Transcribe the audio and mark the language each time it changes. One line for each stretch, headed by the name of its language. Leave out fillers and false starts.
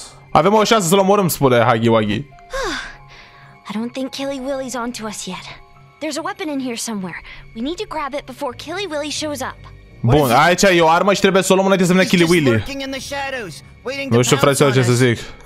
Romanian: Avem o șansă să-l omorăm, spune Huggy Wuggy.
English: I don't think Killy Willy's on to us yet. There's a weapon in here somewhere. We need to grab it before Killy Willy shows up.
Romanian: Bun, aici e o armă și trebuie să o luăm înainte să vină Killy Willy. Nu știu, fraților, ce să zic.